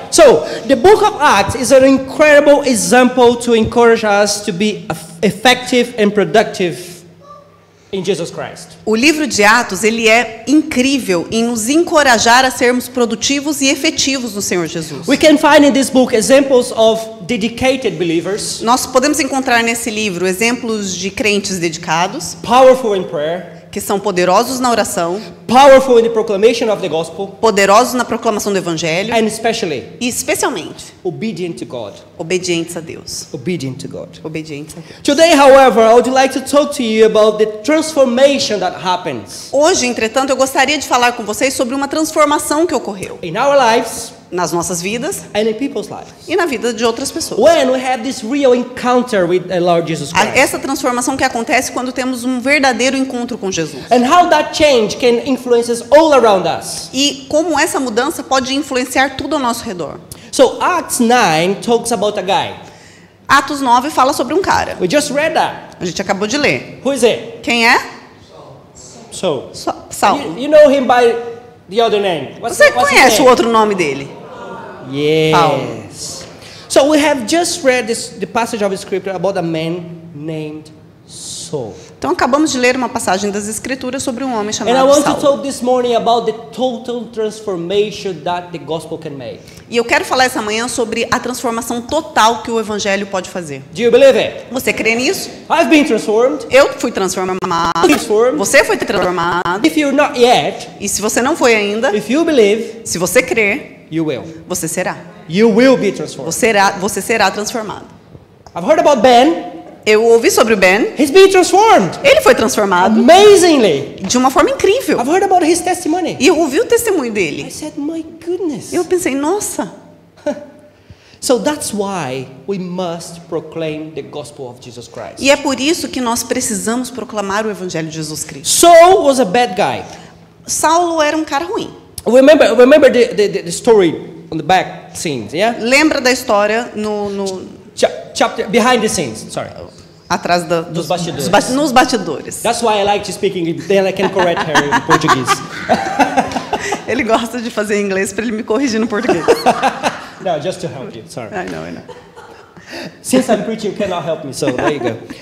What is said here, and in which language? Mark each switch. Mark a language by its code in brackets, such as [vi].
[en] So, the book of Acts is an incredible example to encourage us to be effective and productive in Jesus Christ. [pt] O livro de Atos, ele é incrível em nos encorajar a sermos produtivos e efetivos no Senhor Jesus. [en] We can find in this book examples of dedicated believers. [pt] Nós podemos encontrar nesse livro exemplos de crentes dedicados, [en] powerful in prayer, [pt] que são poderosos na oração, [en] powerful in the proclamation of the gospel, [pt] poderosos na proclamação do evangelho, [en] and especially, [pt] e especialmente, [en] obedient to God, [pt] obedientes a Deus, [en] obedient to God, [pt] obedientes a Deus. [en] Today, however, I would like to talk to you about the transformation that happens. [pt] Hoje, entretanto, eu gostaria de falar com vocês sobre uma transformação que ocorreu [en] in our lives, [pt] nas nossas vidas, [en] and in people's lives, [pt] e na vida de outras pessoas. [en] When we have this real encounter with the Lord Jesus Christ. [pt] Essa transformação que acontece quando temos um verdadeiro encontro com Jesus. [en] And how that change can influence all around us. [pt] E como essa mudança pode influenciar tudo ao nosso redor. [en] So Acts 9 talks about a guy. [pt] Atos 9 fala sobre um cara. [en] We just read that. [pt] A gente acabou de ler. [en] Who is it? [pt] Quem é? [en] Saul. You know him by the other name. [pt] Você conhece o outro nome dele? [en] Yes. Paulo. So we have just read this, the passage of scripture about a man named Saul. [pt] Então acabamos de ler uma passagem das escrituras sobre um homem chamado [en] Saul. And I want to talk this morning about the total transformation that the gospel can make. [pt] E eu quero falar essa manhã sobre a transformação total que o evangelho pode fazer. [en] Do you believe it? [pt] Você crê nisso? [en] I've been transformed. [pt] Eu fui transformado. Você foi transformado. [en] If you're not yet. [pt] E se você não foi ainda? [en] If you believe. [pt] Se você crê. [en] You will. [pt] Você será. [en] You will be transformed. [pt] Você será transformado. [en] I've heard about Ben. [pt] Eu ouvi sobre o Ben. [en] He's been transformed. [pt] Ele foi transformado. [en] Amazingly. [pt] De uma forma incrível. [en] I've heard about his testimony. [pt] E eu ouvi o testemunho dele. [en] I said, "My goodness." [pt] Eu pensei, nossa. [en] So that's why we must proclaim the gospel of Jesus Christ. [pt] E é por isso que nós precisamos proclamar o evangelho de Jesus Cristo. [en] Saul was a bad guy. [pt] Saulo era um cara ruim. [en] Remember the story on the back scenes, yeah? [pt] Lembra da história no [en] chapter behind the scenes, sorry. [pt] Atrás dos bastidores. Nos bastidores. [en] That's why I like to speak English, then I can correct her in Portuguese. [pt] Ele gosta de fazer inglês para ele me corrigir no português. [en] No, just to help you. Sorry. I know. Since I'm preaching, you cannot help me. So there you go.